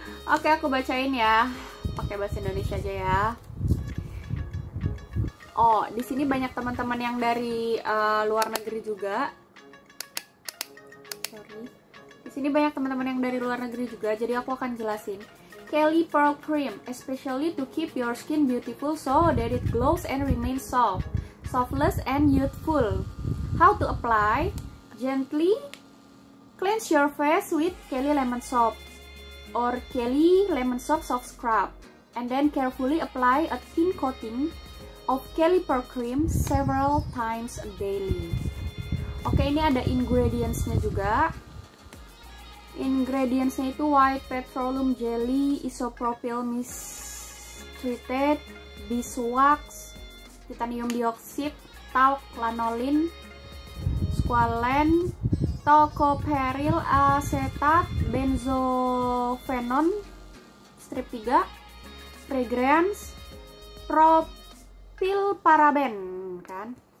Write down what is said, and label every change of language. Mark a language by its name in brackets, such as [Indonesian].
[Indonesian] Oke, aku bacain ya. Pakai bahasa Indonesia aja ya. Oh, di sini banyak teman-teman yang dari luar negeri juga. [English] Sorry. [Indonesian] Di sini banyak teman-teman yang dari luar negeri juga, jadi aku akan jelasin. [English] Kelly Pearl Cream, especially to keep your skin beautiful so that it glows and remains soft, softless and youthful. How to apply? Gently cleanse your face with Kelly Lemon Soap or Kelly Lemon Soap Soft Scrub, and then carefully apply a thin coating of Kelly Pearl Cream several times daily. [Indonesian] Oke, ini ada ingredients-nya juga. Ingredients-nya itu white petroleum jelly, isopropyl mistreated, beeswax, titanium dioxide, talc, lanolin, squalene, tocopheryl acetate, benzophenone, strip 3, fragrance, propyl paraben, kan?